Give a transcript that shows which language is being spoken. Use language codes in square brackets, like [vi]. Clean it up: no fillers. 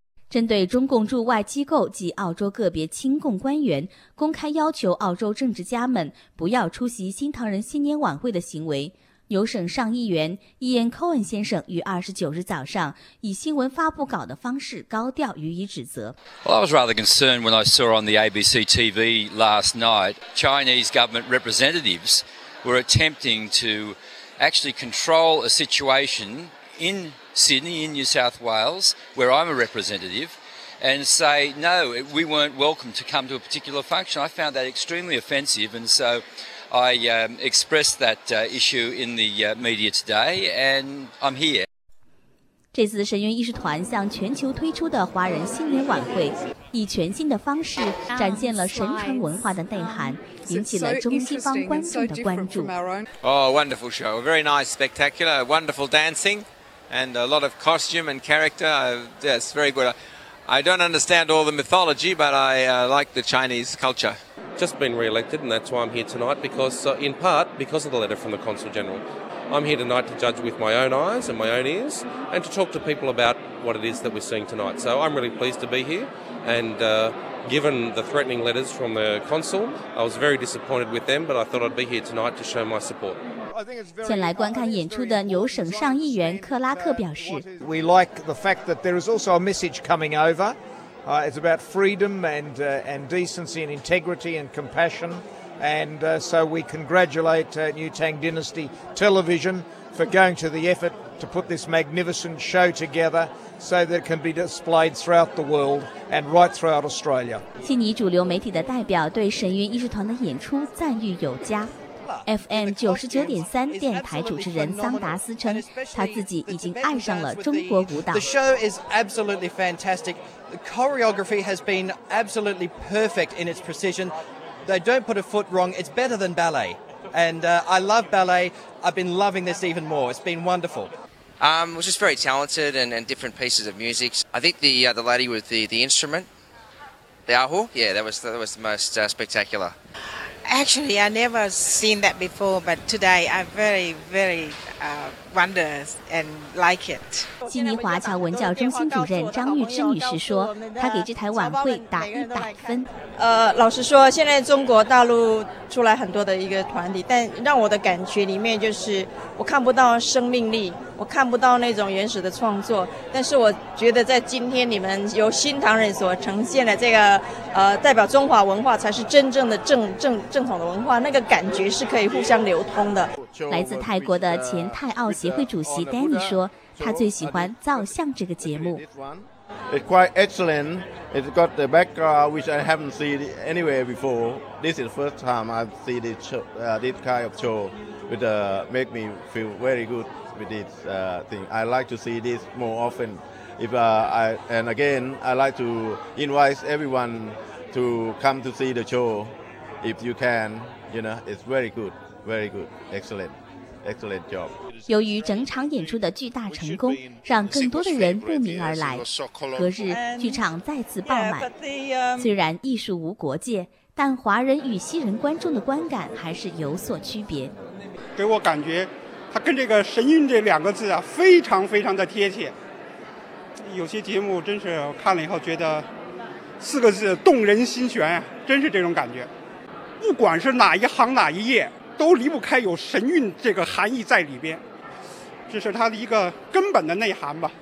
[zh] 针对中共驻外机构及澳洲个别亲共官员公开要求澳洲政治家们不要出席新唐人新年晚会的行为，纽省上议员伊恩·科恩先生于29日早上以新闻发布稿的方式高调予以指责。 [en] Well, I was rather concerned when I saw on the ABC TV last night Chinese government representatives were attempting to actually control a situation in Sydney, in New South Wales, where I'm a representative. And say, no, we weren't welcome to come to a particular function. I found that extremely offensive, and so I expressed that issue in the media today, and I'm here. [zh] 这次神韵艺术团向全球推出的华人新年晚会，以全新的方式展现了神传文化的内涵，引起了中西方观众的关注。 [en] Oh, wonderful show. Very nice, spectacular, wonderful dancing, and a lot of costume and character. Yes, very good. I don't understand all the mythology, but I like the Chinese culture. Just been re-elected, and that's why I'm here tonight, because, in part because of the letter from the Consul General. I'm here tonight to judge with my own eyes and my own ears, and to talk to people about what it is that we're seeing tonight. So I'm really pleased to be here, and given the threatening letters from the Consul, I was very disappointed with them, but I thought I'd be here tonight to show my support. [zh] 前来观看演出的纽省上议员克拉克表示 [en] We like the fact that there is also a message coming over. It's about freedom and decency and integrity and compassion. And so we congratulate New Tang Dynasty Television for going to the effort to put this magnificent show together. So that it can be displayed throughout the world and right throughout Australia. [zh] 悉尼主流媒体的代表对神韵艺术团的演出赞誉有加。 FM 99.3电台主持人桑达斯称，他自己已经爱上了中国舞蹈。 [en] The show is absolutely fantastic. The choreography has been absolutely perfect in its precision. They don't put a foot wrong. It's better than ballet. And I love ballet. I've been loving this even more. It's been wonderful. It was just very talented and different pieces of music. I think the lady with the instrument, the ahu, yeah, that was the most spectacular. Actually, I never seen that before, but today I very, very wonders and like it. [zh] 悉尼华侨文教中心主任张玉芝女士说，她给这台晚会打100分。老实说，现在中国大陆出来很多的一个团体，但让我的感觉里面就是我看不到生命力。我看不到那种原始的创作，但是我觉得在今天你们由新唐人所呈现的这个代表中华文化才是真正的正统的文化，那个感觉是可以互相流通的。来自泰国的前泰奥协会主席 Danny 说，他最喜欢《造像》这个节目。 [en] It's quite excellent. It's got the background which I haven't seen anywhere before. This is the first time I've seen this show, this kind of show, which make me feel very good. With this thing, I like to see this more often. If I and again, I like to invite everyone to come to see the show. If you can, you know, it's very good, excellent, excellent job. [zh] 由于整场演出的巨大成功，让更多的人慕名而来。隔日，剧场再次爆满。虽然艺术无国界，但华人与西人观众的观感还是有所区别。给我感觉。它跟这个神韵这两个字啊非常非常的贴切，有些节目真是看了以后觉得四个字动人心弦啊，真是这种感觉，不管是哪一行哪一页都离不开有神韵这个含义在里边，这是它的一个根本的内涵吧。